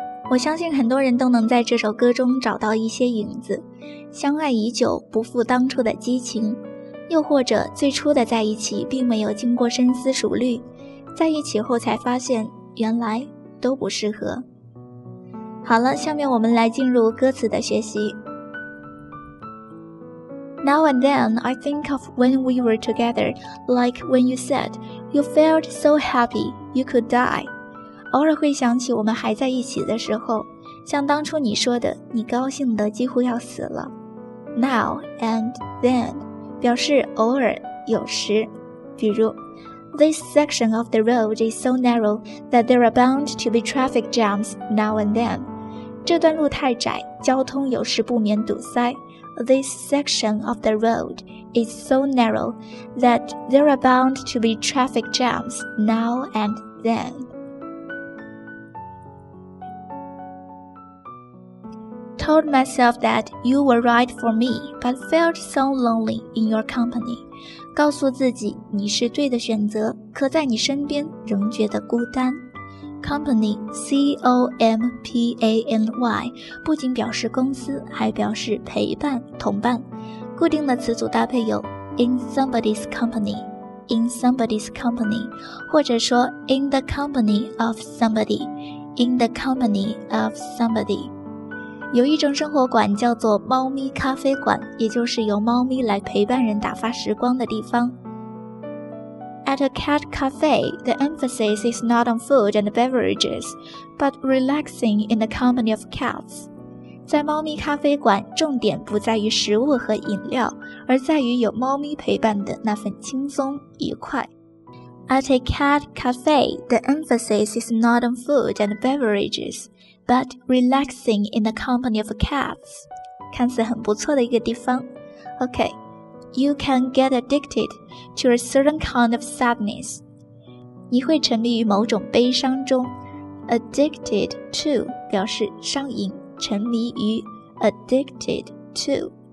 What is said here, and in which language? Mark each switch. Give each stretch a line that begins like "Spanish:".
Chinese: 我相信很多人都能在这首歌中找到一些影子，相爱已久不复当初的激情，又或者最初的在一起并没有经过深思熟虑，在一起后才发现原来都不适合。好了，下面我们来进入歌词的学习。
English: Now and then I think of when we were together, like when you said you felt so happy you could die。
Chinese: 偶尔会想起我们还在一起的时候，像当初你说的，你高兴得几乎要死了。
English: Now and then
Chinese: 表示偶尔、有时，比如
English: This section of the road is so narrow that there are bound to be traffic jams now and then。
Chinese: 这段路太窄，交通有时不免堵塞。
English: This section of the road is so narrow that there are bound to be traffic jams now and then。 I told myself that you were right for me, but felt so lonely in your company.
Chinese: 告诉自己你是对的选择，可在你身边仍觉得孤单。 Company, C-O-M-P-A-N-Y, 不仅表示公司，还表示陪伴、同伴。固定的词组搭配有
English: in somebody's company, in somebody's company,
Chinese: 或者说
English: in the company of somebody, in the company of somebody。
Chinese: 有一种生活馆叫做猫咪咖啡馆，也就是由猫咪来陪伴人打发时光的地方。
English: At a cat cafe, the emphasis is not on food and beverages, but relaxing in the company of cats.
Chinese: 在猫咪咖啡馆，重点不在于食物和饮料，而在于有猫咪陪伴的那份轻松愉快。
English: At a cat cafe, the emphasis is not on food and beverages, but relaxing in the company of cats.
Chinese: 看似很不错的一个地方。
English: OK, you can get addicted to a certain kind of sadness.
Chinese: 你会沉迷于某种悲伤中。Addicted to 表示上瘾，沉迷于 addicted to.